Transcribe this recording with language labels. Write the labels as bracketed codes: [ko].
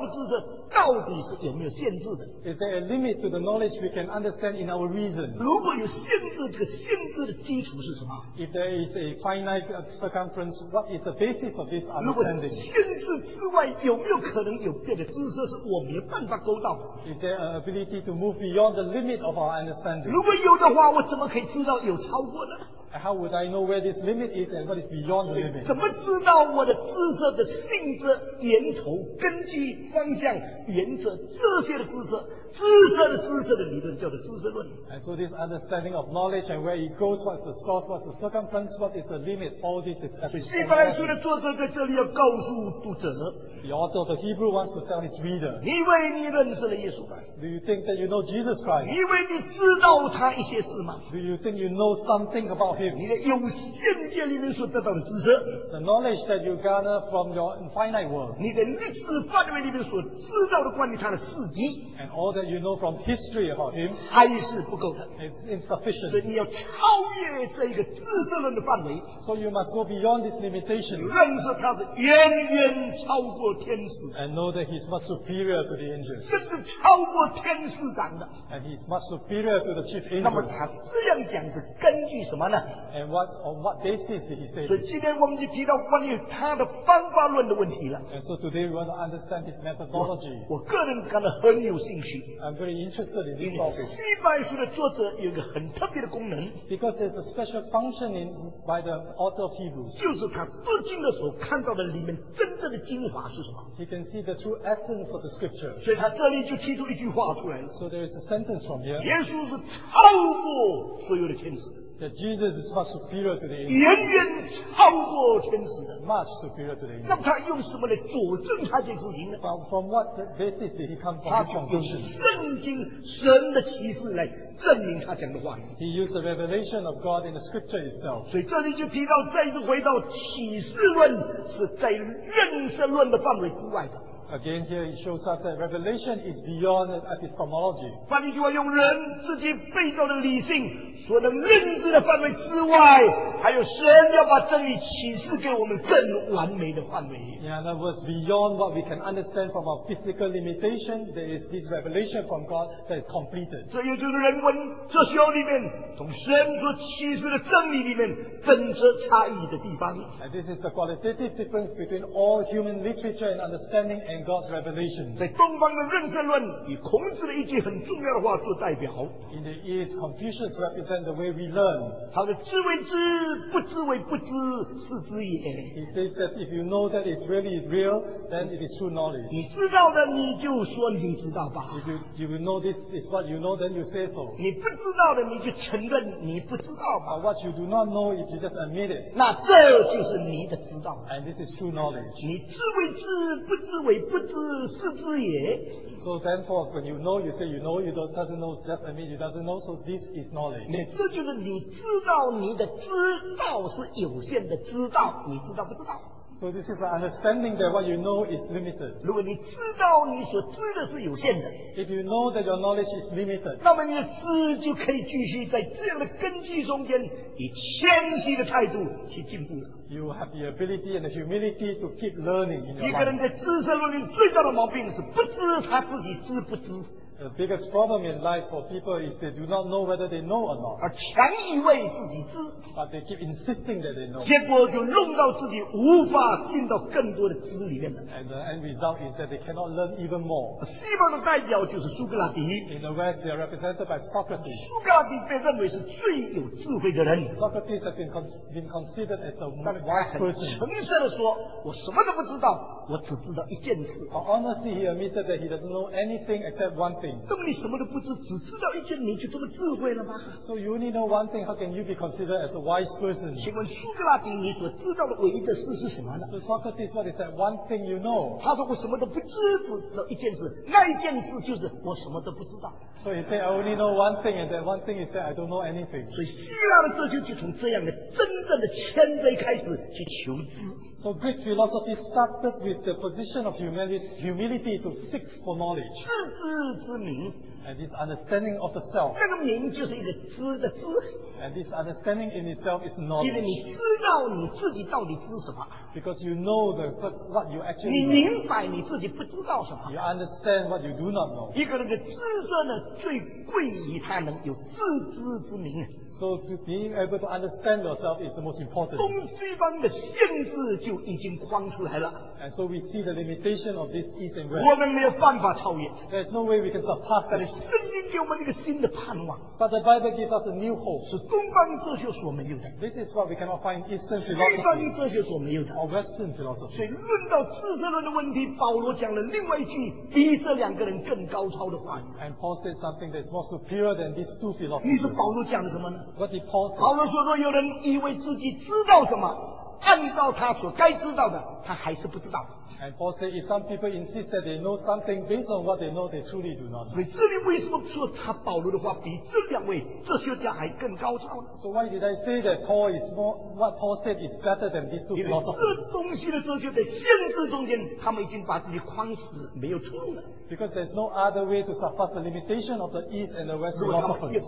[zh] 在我们理性功能中间所能知道的知识到底是有没有限制的? [en] Is there a limit to the knowledge we can understand in our reason? [zh] 如果有限制，这个限制的基础是什么? [en] If there is a finite circumference, what is the basis of this understanding? [zh] 如果限制之外有没有可能有别的知识是我没办法勾到的? [en] Is there an ability to move beyond the limit of our understanding? [zh] 如果有的话，我怎么可以知道有超过呢? [en] How would I know where this limit is and what is beyond the limit? [zh] 怎么知道我的知识的性质、源头、根基、方向、原则这些的知识？知识的知识的理论叫做知识论。 [en] And so this understanding of knowledge and where it goes, what's the source, what's the circumference, what is the limit, all this is epistemology. [zh] 希伯来书的作者在这里要告诉读者。 [en] The author of the Hebrew wants to tell his reader. [zh] 你以为你认识了耶稣吗？ [en] Do you think that you know Jesus Christ? [zh] 你以为你知道他一些事吗？ [en] Do you think you know something about him? [zh] 你的有限界里面所得到的知识。 [en] The knowledge that you garner from your infinite world. [zh] 你的历史范围里面所知道的关于他的事迹。 [en] And all that you know from history about him. [zh] 还是不够的。 [en] It's insufficient. [zh] 所以你要超越这个知识论的范围。 [en] So you must go beyond this limitation. [zh] 认识他是远远超过。 [en] And know that he is much superior to the angels. [zh] 甚至超过天使长的。 [en] And he is much superior to the chief angels. [zh] 那么他这样讲是根据什么呢？ [en] And on what basis did he say? [zh] 所以今天我们就提到关于他的方法论的问题了。 [en] And so today we want to understand his methodology. [zh] 我个人是感到很有兴趣。 [en] I'm very interested in this topic. [zh] 希伯来书的作者有一个很特别的功能。 [en] Because there's a special function in by the author of Hebrews. [zh] 就是他读经的时候看到的里面真正的精华。 [en] He can see the true essence of the scripture. [zh] 所以他这里就提出一句话出来。 [en] So there is a sentence from here. [zh] 耶稣是超过所有的天使。 [en] That Jesus is much superior to the angels. [zh] 远远超过天使的。 [en] Much superior to the angels. [zh] 那么他用什么来佐证他这事情呢？ [en] But from what basis did he come from this conclusion? [zh] 他用圣经神的启示来证明他讲的话。 [en] He used the revelation of God in the scripture itself. [zh] 所以这里就提到，再次回到启示论是在认识论的范围之外的。 [en] Again, here he shows us that revelation is beyond epistemology. [zh] 翻译句话用人自己被造的理性所能认知的范围之外，还有神要把真理启示给我们更完美的范围。 [en] Yeah, in other words, beyond what we can understand from our physical limitation, there is this revelation from God that is completed. [zh] 这也就是人文哲学里面从神所启示的真理里面本质差异的地方。 [en] And this is the qualitative difference between all human literature and understanding and God's revelation. [zh] 在东方的认识论以孔子的一句很重要的话做代表。 [en] In the East, Confucius represents the way we learn. [zh] 他的知为知，不知为不知，是知也。 [en] He says that if you know that it's really real, then it is true knowledge. [zh] 你知道的，你就说你知道吧。 [en] If you know this is what you know, then you say so. [zh] 你不知道的，你就承认你不知道吧。 [en] But what you do not know, if you just admit it. [zh] 那这就是你的知道。 [en] And this is true knowledge. [zh] 你知为知，不知为不知，是知也。 [en] So therefore, when you know, you say you know, you don't, doesn't know, just admit you doesn't know, so this is knowledge. [zh] 这就是你知道你的知道是有限的知道，你知道不知道。 [en] So this is an understanding that what you know is limited. [zh] 如果你知道你所知的是有限的。 [en] If you know that your knowledge is limited. [zh] 那么你的知就可以继续在这样的根基中间以谦虚的态度去进步了。 [en] You have the ability and the humility to keep learning in your life. [zh] 一个人在知识论里最大的毛病是不知他自己知不知。 [en] The biggest problem in life for people is they do not know whether they know or not. [zh] 而强以为自己知。 [en] But they keep insisting that they know. [zh] 结果就弄到自己无法进到更多的知里面。 [en] And the end result is that they cannot learn even more. [zh] 西方的代表就是苏格拉底。 [en] In the West, they are represented by Socrates. [zh] 苏格拉底被认为是最有智慧的人。 [en] Socrates has been considered as the most wise person. [zh] 诚实地说，我什么都不知道，我只知道一件事。 [en] But honestly, he admitted that he doesn't know anything except one thing. [zh] 那么你什么都不知，只知道一件，你就这么智慧了吗？ [en] So you only know one thing, how can you be considered as a wise person? [zh] 请问苏格拉底，你所知道的唯一的事是什么呢？ [en] So Socrates, what is that one thing you know? [zh] 他说我什么都不知，只知道一件事，那一件事就是我什么都不知道。 [en] So he said, I only know one thing, and that one thing is that I don't know anything. [zh] 所以希腊的哲学就从这样的真正的谦卑开始去求知。 [en] So Greek philosophy started with the position of humility to seek for knowledge. [zh] 自知之明。 [en] And this understanding of the self. [zh] 那个明就是一个知的知。 [en] And this understanding in itself is knowledge. [zh] 因为你知道你自己到底知什么。 [en] Because you know the, what you actually know. [zh] 你明白你自己不知道什么。 [en] You understand what you do not know. [zh] 一个人的知识呢，最贵以他能有自知之明。 [en] So to being able to understand yourself is the most important. [zh] 东西方的限制就已经框出来了。 [en] And so we see the limitation of this East and West. [zh] 我们没有办法超越。 [en] There's no way we can surpass that. [zh] 圣经给我们一个新的盼望。 [en] But the Bible gives us a new hope. [zh] 是东方哲学所没有的。 [en] This is what we cannot find in Eastern philosophy. [zh] 西方哲学所没有的。 [en] Or Western philosophy. [zh] 所以论到知识论的问题，保罗讲了另外一句比这两个人更高超的话。 [en] And Paul said something that is more superior than these two philosophers. [zh] 你说保罗讲了什么呢？ [en] What did Paul say? [zh] 保罗说，若有人以为自己知道什么，按照他所该知道的，他还是不知道。 [en] And Paul said, if some people insist that they know something based on what they know, they truly do not know. [zh] 所以这里为什么说他保罗的话比这两位哲学家还更高超呢？ [en] So why did I say that Paul is more, what Paul said is better than these two philosophers? [zh] 因为这东西的哲学在限制中间，他们已经把自己框死，没有出路了。 [en] Because there's no other way to surpass the limitation of the East and the West philosophers.